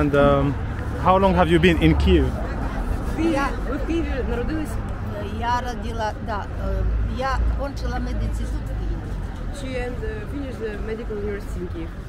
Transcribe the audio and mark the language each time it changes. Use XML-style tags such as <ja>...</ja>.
<en>And how long have you been in Kyiv?</en> <uk>Ви в Києві народились?</uk> <ru>Я родила, да. Я кончила медицину в Києві.</ru> <en>She and finished the medical university in Kyiv.</en>